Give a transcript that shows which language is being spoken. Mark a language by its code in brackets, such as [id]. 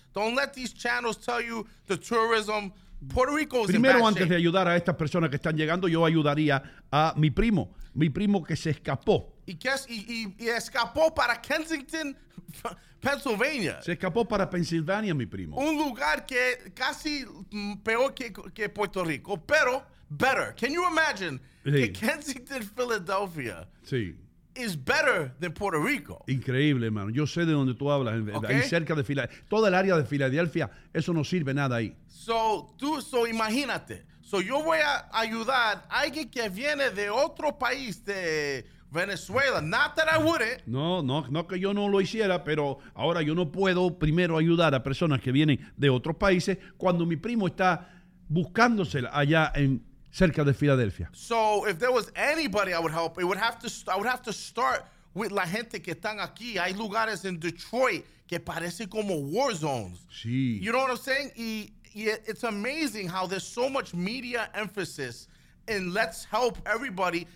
[en] Don't let these channels tell you the tourism. Puerto Rico is [es] primero, [en] in bad [es] antes [en] shape. [es] De ayudar a estas personas que están llegando, yo ayudaría a mi primo. Mi primo que se escapó. Y escapó para Kensington, Pennsylvania. Se escapó para Pensilvania, mi primo. Un lugar que casi peor que Puerto Rico, pero [en] better. Can you imagine [es] sí. que Kensington, Philadelphia sí. [en] is better than Puerto Rico? [es] Increíble, hermano. Yo sé de donde tú hablas. [en] Okay. [es] Ahí cerca de Filadelfia. Toda el área de Filadelfia, eso no sirve nada ahí. So imagínate. So yo voy a ayudar a alguien que viene de otro país, de Venezuela. [en] Not that I wouldn't. [es] No que yo no lo hiciera, pero ahora yo no puedo primero ayudar a personas que vienen de otros países cuando mi primo está buscándosela allá en cerca de Filadelfia. [en] So if there was anybody I would help, I would have to start with [es] la gente que están aquí. Hay lugares en Detroit que parece como [en] war zones. [es] Sí. [en] You know what I'm saying? It's amazing how there's so much media emphasis and let's help everybody.